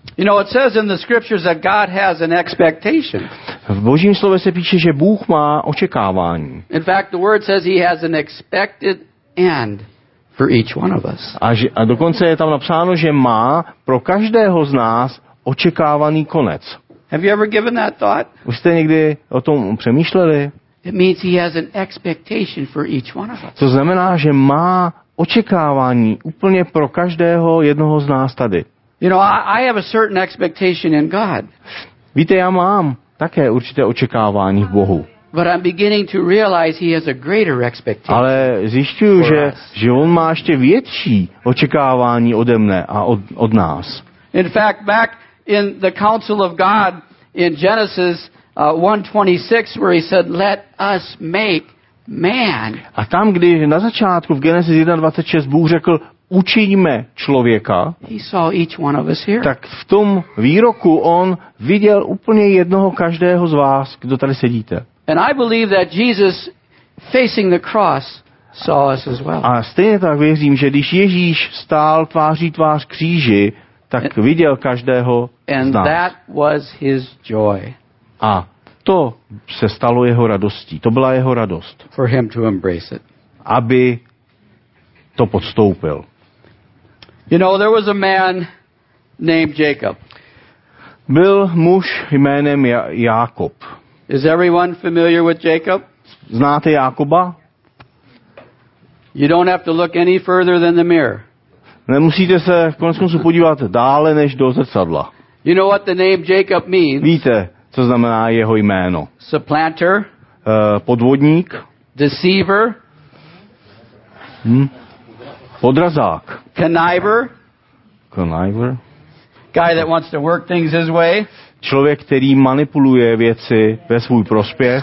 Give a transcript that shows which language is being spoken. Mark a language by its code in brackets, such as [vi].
[en] You know, it says in the scriptures that God has an expectation. [cs] V Božím slově se píše, že Bůh má očekávání. [en] In fact, the word says he has an expected end for each one of us. [cs] A dokonce je tam napsáno, že má pro každého z nás očekávaný konec. [en] Have you ever given that thought? [cs] Už jste někdy o tom přemýšleli? [en] It means he has an expectation for each one of us. [cs] To znamená, že má očekávání úplně pro každého jednoho z nás tady. [en] You know, I have a certain expectation in God. [cs] Víte, já mám také určité očekávání v Bohu. [en] But I'm beginning to realize he has a greater expectation. [cs] Ale zjišťuju, že on má ještě větší očekávání ode mne a od nás. [en] In fact, back in the counsel of God in Genesis 1:26, where he said, "Let us make man." [cs] A tam, když na začátku v Genesis 1:26 Bůh řekl, učiňme člověka, [en] he saw each one of us here. [cs] Tak v tom výroku on viděl úplně jednoho každého z vás, kdo tady sedíte. [en] And I believe that Jesus facing the cross saw us as well. [cs] A stejně tak věřím, že když Ježíš stál tváří tvář kříži, tak viděl každého [en] and [cs] z nás. [en] That was his joy. [cs] A to se stalo jeho radostí. To byla jeho radost. [en] For him to embrace it. [cs] Aby to podstoupil. [en] You know, there was a man named Jacob. [cs] Byl muž jménem Jákob. [en] Is everyone familiar with Jacob? [cs] Znáte Jákoba? [en] You don't have to look any further than the mirror. [cs] Nemusíte se konec konců podívat dále než do zrcadla. [en] You know what the name Jacob means? [cs] Víte, co znamená jeho jméno? [en] Supplanter. [cs] Podvodník. [en] Deceiver. [cs] Podrazák. [en] Conniver. Conniver. Guy that wants to work things his way. [cs] Člověk, který manipuluje věci ve svůj prospěch.